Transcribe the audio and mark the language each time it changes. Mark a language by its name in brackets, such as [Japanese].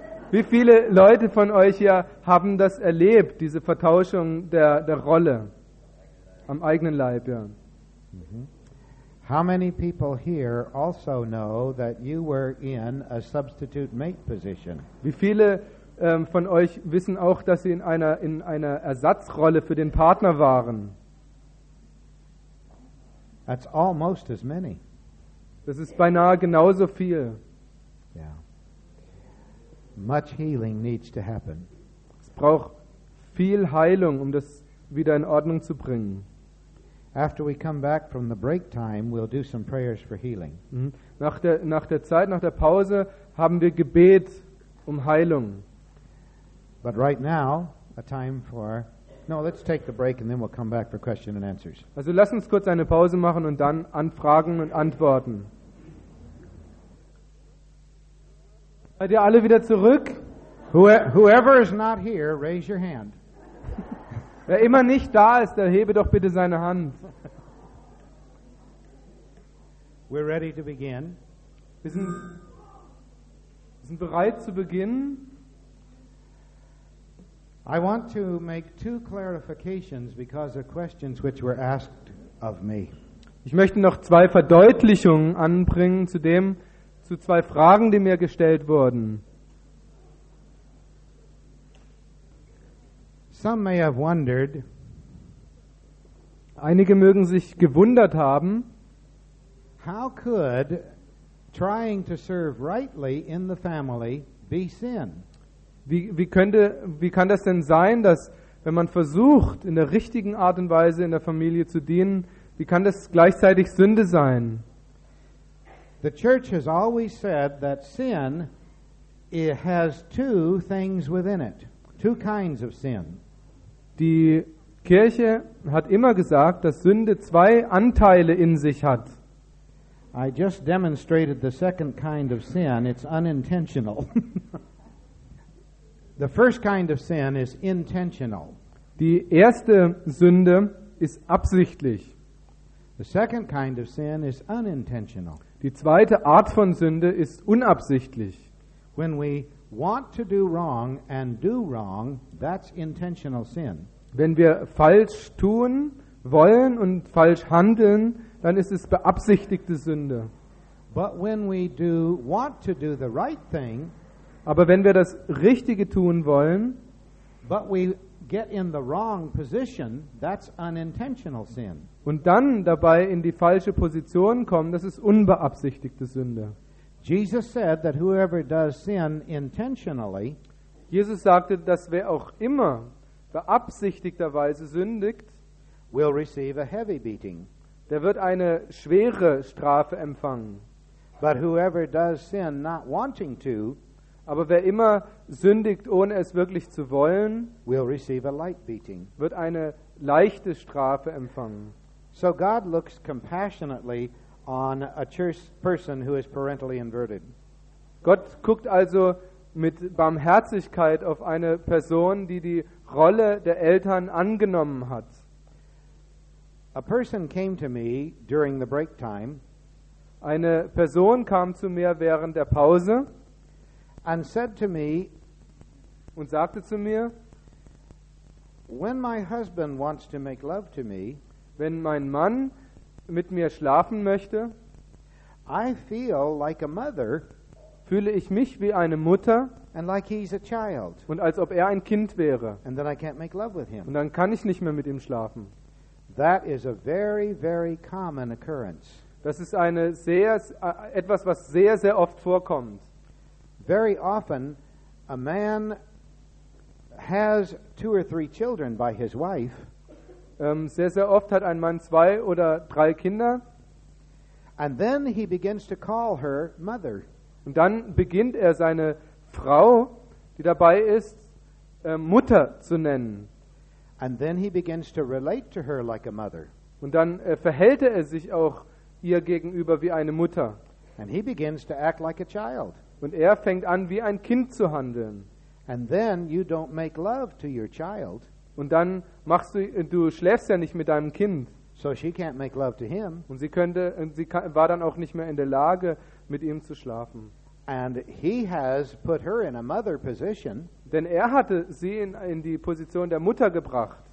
[German] Wie viele Leute von euch hier haben das erlebt, diese Vertauschung der Rolle am eigenen Leib, ja. [English] How many people here also know that you were in a substitute mate position? [German] Wie viele von euch wissen auch, dass sie in einer Ersatzrolle für den Partner waren? [English] That's almost as many. [German] Das ist beinahe genauso viel. [English] Yeah. Much healing needs to happen. [German] Es braucht viel Heilung, um das wieder in Ordnung zu bringen. [English] After we come back from the break time, we'll do some prayers for healing. [German] Nach der Zeit, nach der Pause, haben wir Gebet um Heilung. [English] But right now, a time for... No, let's take the break and then we'll come back for question and answers. [German] Also lass uns kurz eine Pause machen und dann an Fragen und Antworten. Seid ihr alle wieder zurück? [English] Whoever is not here, raise your hand. [German] Wer immer nicht da ist, der hebe doch bitte seine Hand. [English] We're ready to begin. [German] Wir sind bereit zu beginnen. [English] I want to make two clarifications because of questions which were asked of me. [German] Ich möchte noch zwei Verdeutlichungen anbringen zu zwei Fragen, die mir gestellt wurden. [English] Some may have wondered. [German] Einige mögen sich gewundert haben. [English] How could trying to serve rightly in the family be sin? [German] Wie kann das denn sein, dass wenn man versucht, in der richtigen Art und Weise in der Familie zu dienen, wie kann das gleichzeitig Sünde sein? [English] The church has always said that sin it has two things within it, two kinds of sin. [German] Die Kirche hat immer gesagt, dass Sünde zwei Anteile in sich hat. [English] I just demonstrated the second kind of sin. It's unintentional. The first kind of sin is intentional. [German] Die erste Sünde ist absichtlich. [English] The second kind of sin is unintentional. [German] Die zweite Art von Sünde ist unabsichtlich. [English] When we want to do wrong and do wrong, that's intentional sin. [German] Wenn wir falsch tun wollen und falsch handeln, dann ist es beabsichtigte Sünde. [English] But when we do want to do the right thing, [German] aber wenn wir das Richtige tun wollen, [English] but we get in the wrong position, that's unintentional sin. [German] Und dann dabei in die falsche Position kommen, das ist unbeabsichtigte Sünde. [English] Jesus said that whoever does sin intentionally, [German] Jesus sagte, dass wer auch immer beabsichtigterweise sündigt, [English] will receive a heavy beating. [German] Der wird eine schwere Strafe empfangen. [English] But whoever does sin not wanting to, [German] aber wer immer sündigt, ohne es wirklich zu wollen, [English] will receive a light beating. [German] Wird eine leichte Strafe empfangen. [English] So God looks compassionately on a church person who is parentally inverted. [German] Gott guckt also mit Barmherzigkeit auf eine Person, die die Rolle der Eltern angenommen hat. [English] A person came to me during the break time. [German] Eine Person kam zu mir während der Pause. [English] and said to me, [German] und sagte zu mir, [English] when my husband wants to make love to me, [German] wenn mein Mann mit mir schlafen möchte, [English] I feel like a mother, [German] fühle ich mich wie eine Mutter, [English] and like he's a child, [German] und als ob er ein Kind wäre, [English] and then I can't make love with him, [German] und dann kann ich nicht mehr mit ihm schlafen. [English] That is a very, very common occurrence. [German] Das ist eine sehr etwas, was sehr, sehr oft vorkommt. [English] Very often, a man has two or three children by his wife. [German] Sehr, sehr oft hat ein Mann zwei oder drei Kinder. [English] And then he begins to call her mother. [German] Und dann beginnt er seine Frau, die dabei ist, Mutter zu nennen. [English] And then he begins to relate to her like a mother. [German] Und dann verhält er sich auch ihr gegenüber wie eine Mutter. [English] And he begins to act like a child. [German] Und er fängt an, wie ein Kind zu handeln. [English] And then you don't make love to your child. [German] Und dann machst du schläfst ja nicht mit deinem Kind. [English] So she can't make love to him. [German] Und sie war dann auch nicht mehr in der Lage, mit ihm zu schlafen. [English] And he has put her in a mother position. [German] Denn er hatte sie in die Position der Mutter gebracht.